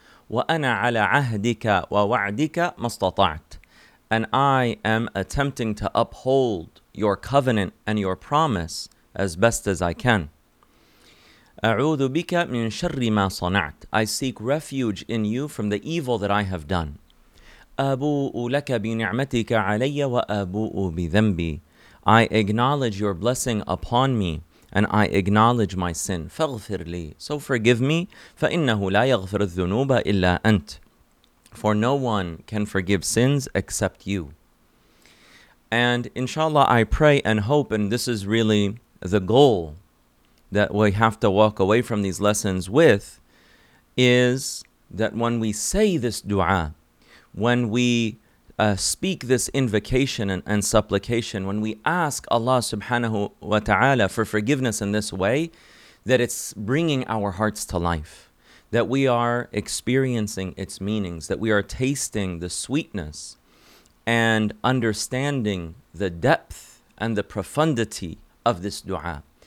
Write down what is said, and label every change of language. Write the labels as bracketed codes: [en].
[ar] Wa ana ala ahdika wa wa'dika mastata'at. [en] And I am attempting to uphold your covenant and your promise as best as I can. [ar] أعوذ بك من شر ما صنعت. [en] I seek refuge in you from the evil that I have done. [ar] أبوء لك بنعمتك علي وأبوء بذنبي. [en] I acknowledge your blessing upon me and I acknowledge my sin. [ar] فاغفر لي. [en] So forgive me. [ar] فإنه لا يغفر الذنوب إلا أنت. [en] For no one can forgive sins except you. And inshallah, I pray and hope, and this is really the goal that we have to walk away from these lessons with, is that when we say this dua, when we speak this invocation and supplication, when we ask Allah subhanahu wa ta'ala for forgiveness in this way, that it's bringing our hearts to life, that we are experiencing its meanings, that we are tasting the sweetness and understanding the depth and the profundity of this dua.